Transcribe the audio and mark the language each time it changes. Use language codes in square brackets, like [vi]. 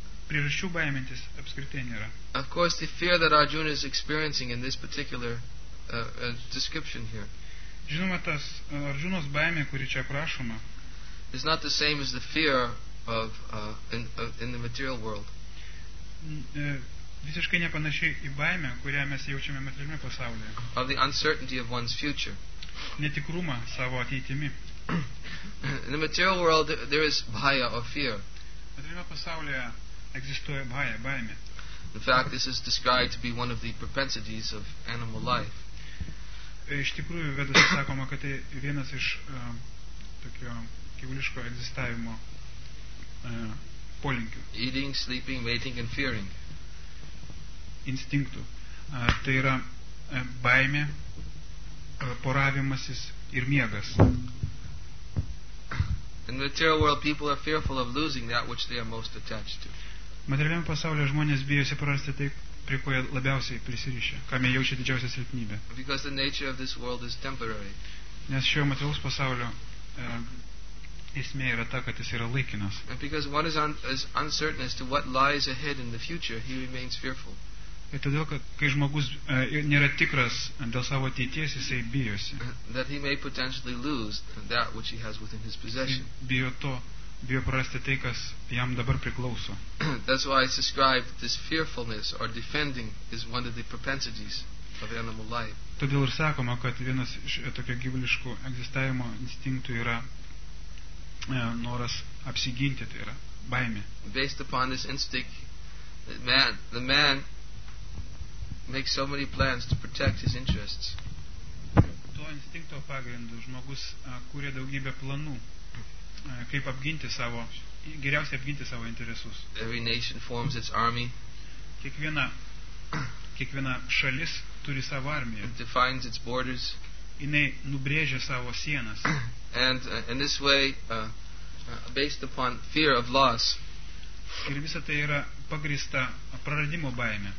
[en] Of course, the fear that Arjuna is experiencing in this particular description here is not the same as the fear of in the material world. [lt] Visiškai nepanašiai į baimę, kurią mes jaučiame materialiame pasaulyje. [en] Of the uncertainty of one's future. [lt] Netikrumą savo ateitimi. [en] In the material world there is bhaya or fear. [lt] Materialiame pasaulyje egzistuoja bhaya, baimė. [en] In fact, this is described to be one of the propensities of animal life. [lt] Iš tikrųjų, vedose sakoma, kad tai vienas iš tokio gyvuliško egzistavimo polinkių. [en] Eating, sleeping, waiting and fearing. [lt] Instinktų. Tai yra baimė, poravimasis ir miegas. [en] In the material world people are fearful of losing that which they are most attached to. [lt] Materialiame pasaulyje žmonės bijosi prarasti tai, prie ko jie labiausiai prisirišę, kam jie jaučia didžiausią silpnybę. [en] Because the nature of this world is temporary. [lt] Nes šio materialaus pasaulio esmė yra ta, kad jis yra laikinas. [en] And because one is uncertain as to what lies ahead in the future, he remains fearful. [lt] Ir todėl, kad kai žmogus nėra tikras dėl savo ateities, jisai bijosi. [en] That he may potentially lose that which he has within his possession. [lt] Bijo to, bijo prarasti tai, kas jam dabar priklauso. [en] That's why I describe this fearfulness or defending is one of the propensities of animal life. [lt] Todėl ir sakoma, kad vienas iš tokio gyvuliškų egzistavimo instinktų yra noras apsiginti, tai yra baimė. [en] Based upon this instinct, the man makes so many plans to protect his interests. [lt] To instinkto pagrindu žmogus kuria daugybę planų, kaip apginti savo, geriausiai apginti savo interesus. [en] Every nation forms its army. [lt] Kiekviena šalis turi savo armiją. [en] It defines its borders. [lt] Jinai nubrėžia savo sienas. [en] And in this way, based upon fear of loss. [lt] Ir visa tai yra pagrįsta praradimo baime.